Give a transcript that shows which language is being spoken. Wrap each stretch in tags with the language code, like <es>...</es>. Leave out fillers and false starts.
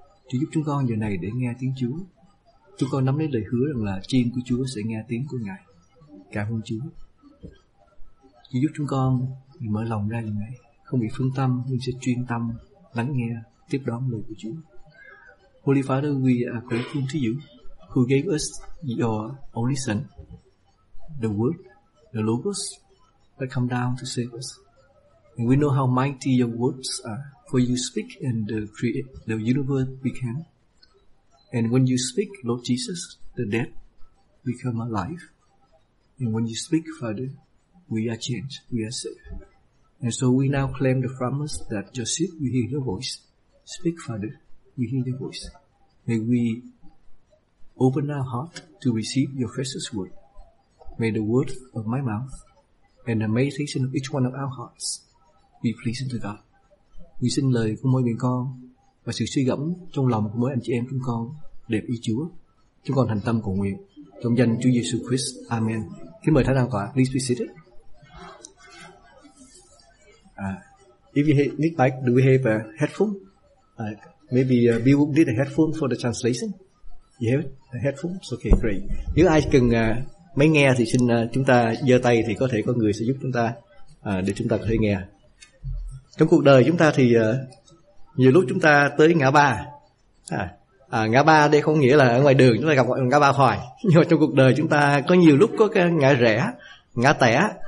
<vi>Chúa giúp chúng con giờ này để nghe tiếng Chúa. Chúng con nắm lấy lời hứa rằng là chiên của Chúa sẽ nghe tiếng của Ngài. Cảm ơn Chúa. Chúa giúp chúng con mở lòng ra giờ này, không bị phân tâm nhưng sẽ chuyên tâm lắng nghe, tiếp đón lời của Chúa.</vi> <en>Holy Father, we are grateful to you who gave us your only Son, the Word, the Logos, that come down to save us. And we know how mighty your words are, for you speak and create the universe became. And when you speak, Lord Jesus, the dead become alive. And when you speak, Father, we are changed, we are saved. And so we now claim the promise that your sheep, we hear your voice. Speak, Father, we hear your voice. May we open our heart to receive your precious word. May the word of my mouth and the meditation of each one of our hearts be pleasing to God.</en> <vi>We xin lời của mỗi người con và sự suy gẫm trong lòng của mỗi anh chị em chúng con đẹp ý Chúa. Chúng con thành tâm cầu nguyện trong danh Chúa Giêsu Christ. Amen. Kính mời thánh đạo tòa.</vi> <en>Please be seated. If you need mic, do we have a headphone? Maybe we would need a headphone for the translation. You have a headphone? Okay, great.</en> <vi>Nếu ai cần máy nghe thì xin chúng ta giơ tay thì có thể có người sẽ giúp chúng ta để chúng ta có thể nghe. Trong cuộc đời chúng ta thì nhiều lúc chúng ta tới ngã ba. Ngã ba đây không nghĩa là ở ngoài đường chúng ta gặp ngã ba hoài. Nhưng mà trong cuộc đời chúng ta có nhiều lúc có cái ngã rẽ, ngã tẻ.</vi>